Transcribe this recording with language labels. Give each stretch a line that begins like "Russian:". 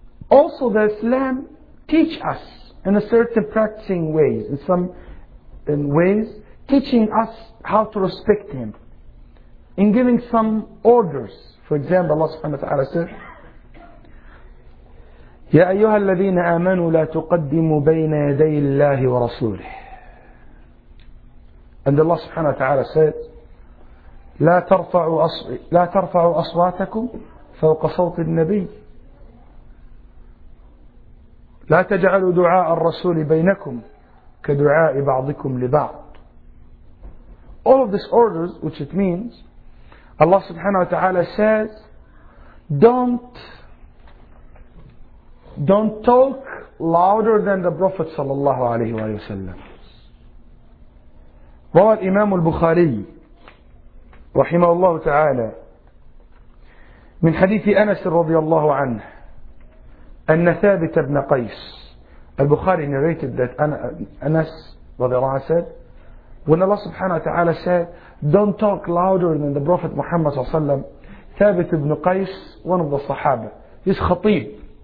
English: Also, the Islam teach us in a certain practicing ways, in ways, teaching us how to respect him, in giving some orders. For example, Allah subhanahu wa ta'ala said,
Arabic: يَا أَيُّهَا الَّذِينَ آمَنُوا لَا تُقَدِّمُوا بَيْنَ يَدَيِ اللَّهِ وَرَسُولِهِ.
English: And Allah subhanahu wa ta'ala said,
Arabic: لا ترفعوا أصواتكم فوق صوت النبي. لا تجعلوا دعاء الرسول بينكم كدعاء بعضكم لبعض.
English: All of these orders, which it means, Allah subhanahu wa ta'ala says, don't talk louder than the Prophet sallallahu alayhi wa sallam.
Arabic: Rawi Imam al-Bukhari رحمه الله تعالى من حديث أنس رضي الله عنه أن ثابت بن قيس البخاري
English: narrated that
Arabic: أنس رضي الله عنه
English: said when Allah
Arabic: سبحانه وتعالى
English: said don't talk louder than the Prophet Muhammad
Arabic: صلى الله عليه وسلم ثابت بن قيس
English: one of the
Arabic: صحابة he's خطيب